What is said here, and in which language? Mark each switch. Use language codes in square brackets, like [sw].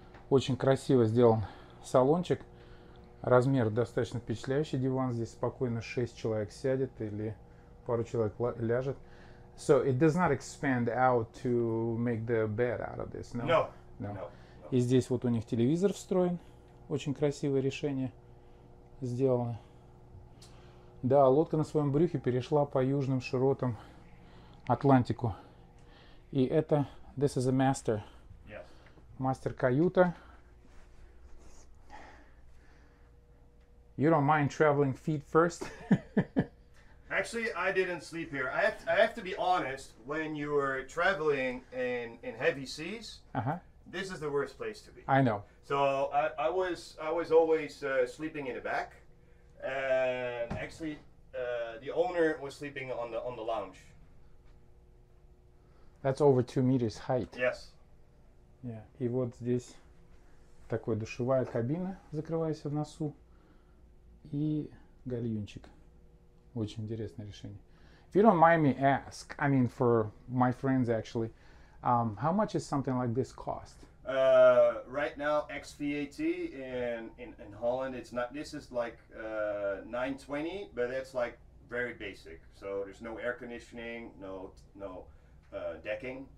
[ru] Очень красиво сделан салончик. Размер достаточно впечатляющий, диван здесь спокойно 6 человек сядет или пару человек ляжет. [en] So it does not expand out to make the bed out of this, no? No. No. [ru] И здесь вот у них телевизор встроен, очень красивое решение сделано. Да, лодка на своем брюхе перешла по южным широтам Атлантику. И это, [en] this is a master. Yes. [ru] Мастер каюта. [en] You don't mind traveling feet first? Actually, I didn't sleep here. I have to be honest, when you're traveling in heavy seas, uh-huh. This is the worst place to be. I know. So I was always sleeping in the back. And actually, the owner was sleeping on the lounge. That's over 2 meters height. Yes. Yeah. [ru] И вот здесь такая душевая кабина, закрывается в носу. И гальюнчик. Очень интересное решение. [en] If you don't mind me ask, I mean for my friends actually, how much is something like this cost? Right now XVAT in Holland, it's not, this is like 920, but that's like very basic. So there's no air conditioning, no decking.